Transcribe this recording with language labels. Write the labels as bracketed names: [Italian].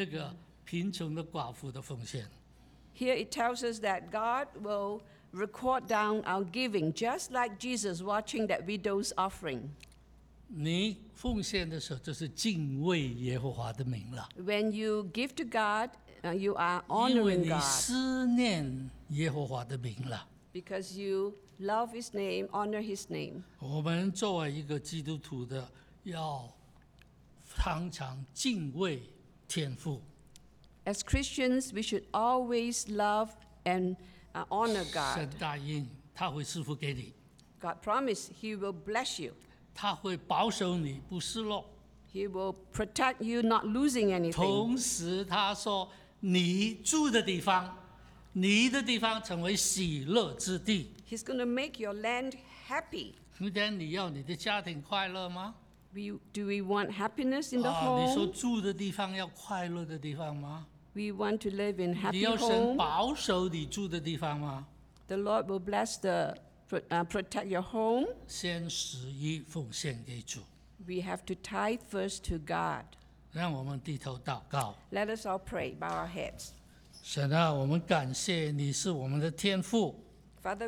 [Chinese] 这里让我们知道神会记录我们的奉献，好像耶稣看住那个贫穷的寡妇的奉献。 [English] Here it tells us that God will record down our giving, just like Jesus watching that widow's offering. [Chinese] 你奉献的时候，就是敬畏耶和华的名了。 [English] When you give to God, you are honoring God. [Chinese] 因为你思念耶和华的名了。 [English] Because you love his name, honor his name. [Chinese] 我们作为一个基督徒的，要常常敬畏天父。 [English] As Christians, we should always love and honor God. [Chinese] 神答应，他会赐福给你。 [English] God promised he will bless you. [Chinese] 他会保守你不失落。 [English] He will protect you, not losing anything. [Chinese] 同时他说，你住的地方。你的地方成为喜乐之地。 [English] He's going to make your land happy. [Chinese] 今天你要你的家庭快乐吗? [English] Do we want happiness in the home? [Chinese] 你说住的地方要快乐的地方吗? [English] We want to live in happy home. [Chinese] 你要神保守你住的地方吗? [English] The Lord will bless the protect your home. [Chinese] 先十一奉献给主。 [English] We have to tithe first to God. [Chinese] 让我们低头祷告。 [English] Let us all pray, bow our heads. [Chinese] 神啊，我们感谢你是我们的天父。 [English] Father,